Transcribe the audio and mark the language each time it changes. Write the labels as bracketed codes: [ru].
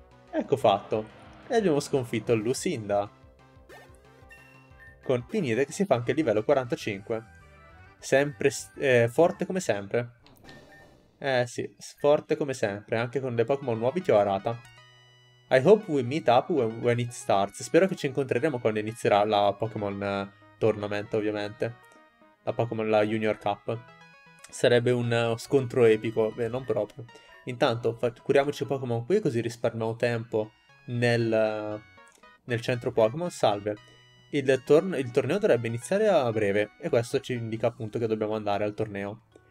[it] Ecco fatto. E abbiamo sconfitto Lucinda. Con Pignite che si fa anche il livello 45. Sempre forte come sempre. Eh sì, forte come sempre. Anche con dei Pokémon nuovi ti ho arata. [en] I hope we meet up when it starts. [it] Spero che ci incontreremo quando inizierà la Pokémon Tournament, ovviamente. La Junior Cup. Sarebbe un scontro epico, beh, non proprio. Intanto curiamoci Pokémon qui così risparmiamo tempo nel nel centro Pokémon, salve. Il torneo dovrebbe iniziare a breve e questo ci indica appunto che dobbiamo andare al torneo.